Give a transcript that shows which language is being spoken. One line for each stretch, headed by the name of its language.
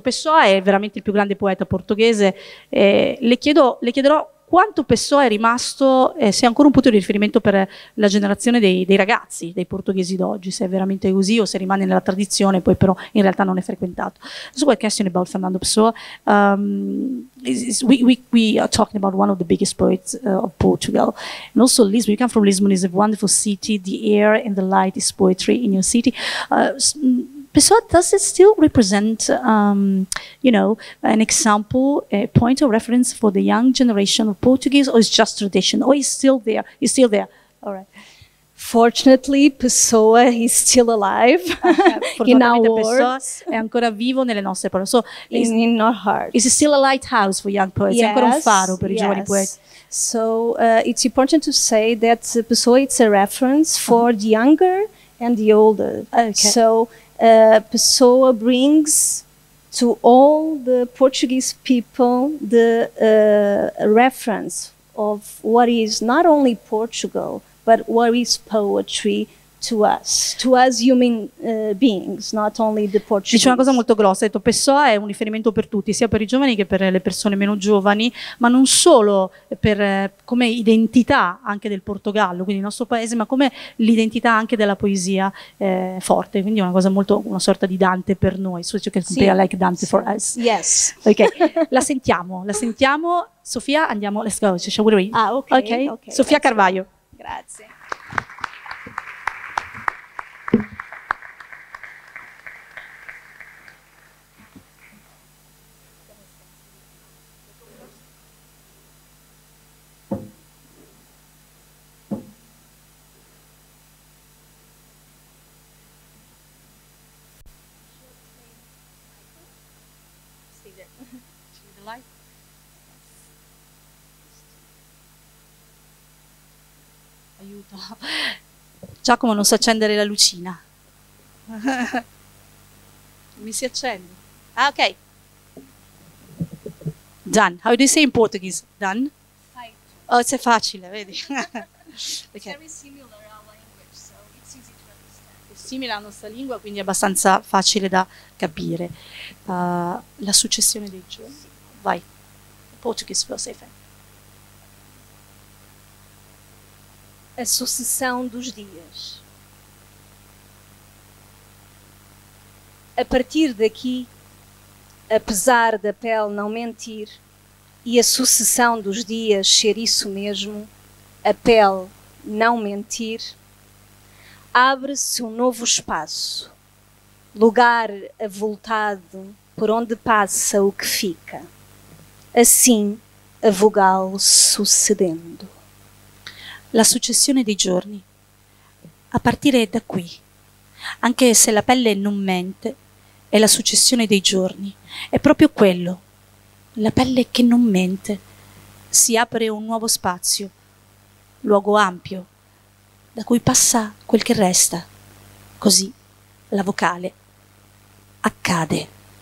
Italian: Pessoa è veramente il più grande poeta portoghese. Le chiederò quanto Pessoa è rimasto, se è ancora un punto di riferimento per la generazione dei ragazzi, dei portoghesi d'oggi, se è veramente così o se rimane nella tradizione, poi però in realtà non è frequentato.
English: So a question about Fernando Pessoa. We are talking about one of the biggest poets of Portugal. And also Lisbon, you come from Lisbon, it's a wonderful city, the air and the light is poetry in your city. Pessoa, does it still represent, you know, an example, a point of reference for the young generation of Portuguese, or is just tradition, or is still there? All right. Fortunately, Pessoa is still alive in our world.
Italian: È ancora vivo nelle nostre parole.
English: So, in our heart. Is still a lighthouse for young poets. Yes,
Italian: è ancora un faro per i giovani poeti.
English: So, it's important to say that Pessoa is a reference for the younger and the older. Okay. So, Pessoa brings to all the Portuguese people the reference of what is not only Portugal, but what is poetry to us human beings, not only the Portuguese.
Italian: Dice una cosa molto grossa, ha detto Pessoa è un riferimento per tutti, sia per i giovani che per le persone meno giovani, ma non solo per come identità anche del Portogallo, quindi il nostro paese, ma come l'identità anche della poesia forte, quindi è una cosa molto, una sorta di Dante per noi.
English: So you can say I like Dante for us. Yes.
Italian: Okay. la sentiamo. Sofia, andiamo,
English: let's go. Shall we? Ah, okay. Sofia That's Carvalho. Right.
Italian: Grazie. Aiuto. Giacomo, non so accendere la lucina. Mi si accende. Ah, ok.
English: Done. How do you say in Portuguese? Done? Fight.
Italian: Oh, c'è facile, vedi.
English: Okay. It's very similar our language, so it's easy to understand.
Italian: È simile alla nostra lingua, quindi è abbastanza facile da capire. La successione dei giorni. Vai.
English: Portuguese for safe.
Portuguese: A sucessão dos dias. A partir daqui, apesar da pele não mentir, e a sucessão dos dias ser isso mesmo, a pele não mentir, abre-se um novo espaço, lugar avultado por onde passa o que fica. Assim, a vogal sucedendo.
Italian: La successione dei giorni, a partire da qui, anche se la pelle non mente, è la successione dei giorni, è proprio quello, la pelle che non mente, si apre un nuovo spazio, luogo ampio, da cui passa quel che resta, così la vocale accade.